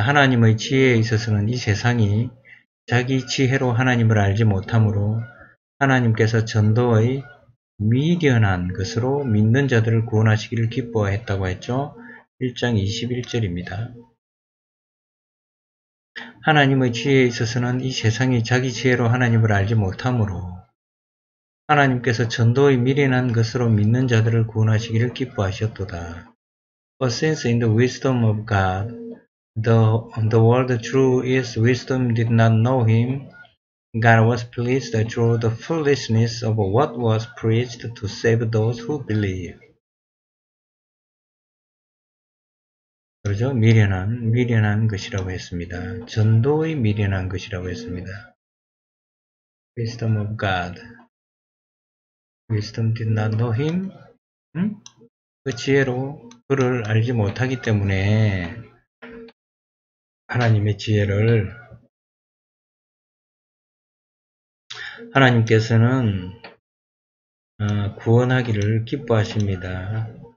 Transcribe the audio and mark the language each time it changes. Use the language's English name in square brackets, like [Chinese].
[Korean] 하나님의 지혜에 있어서는 이 세상이 자기 지혜로 하나님을 알지 못하므로 하나님께서 전도의 미련한 것으로 믿는 자들을 구원하시기를 기뻐했다고 했죠. 1장 21절입니다. 하나님의 지혜에 있어서는 이 세상이 자기 지혜로 하나님을 알지 못하므로 하나님께서 전도의 미련한 것으로 믿는 자들을 구원하시기를 기뻐하셨도다. [English] For since in the wisdom of God, the world through its wisdom did not know him, God was pleased through the foolishness of what was preached to save those who believe. [Korean] 그러죠? 미련한 것이라고 했습니다. 전도의 미련한 것이라고 했습니다. [English] Wisdom of God. Wisdom did not know him. [Korean] 응? 그 지혜로 그를 알지 못하기 때문에 하나님의 지혜를 하나님께서는 구원하기를 기뻐하십니다.